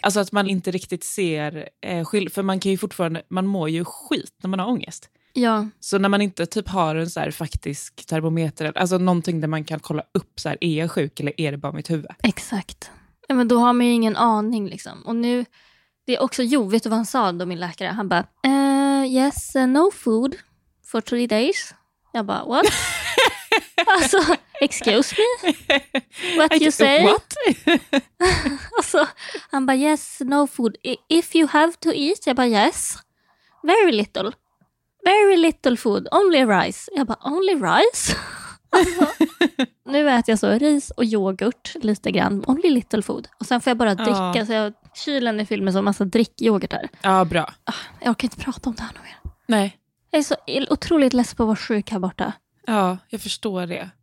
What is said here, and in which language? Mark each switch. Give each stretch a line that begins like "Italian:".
Swedish: Alltså att man inte riktigt ser skillnad. För man kan ju fortfarande, man mår ju skit när man har ångest. Ja. Så när man inte typ har en så här faktisk termometer, alltså någonting där man kan kolla upp så här, är jag sjuk eller är det bara mitt huvud? Exakt. Ja, men då har man ju ingen aning liksom. Och nu, det är också, jo, vet du vad han sa då, min läkare? Han bara,
English: yes, no food for 3 days.
Swedish: Jag bara,
English: what?
Swedish: Alltså,
English: excuse me? What you say? What?
Swedish: Alltså, han bara,
English: yes, no food. If you have to eat,
Swedish: jag bara,
English: yes. Very little. Very little food, only rice.
Swedish: Jag bara,
English: only rice?
Swedish: Alltså, nu äter jag så ris och yoghurt lite grann.
English: Only little food.
Swedish: Och sen får jag bara dricka. Ja. Så jag, kylen är fylld med så massa drickyoghurt här. Ja, bra. Jag kan inte prata om det här nu mer. Nej. Jag är så otroligt less på att vara sjuk här borta. Ja, jag förstår det.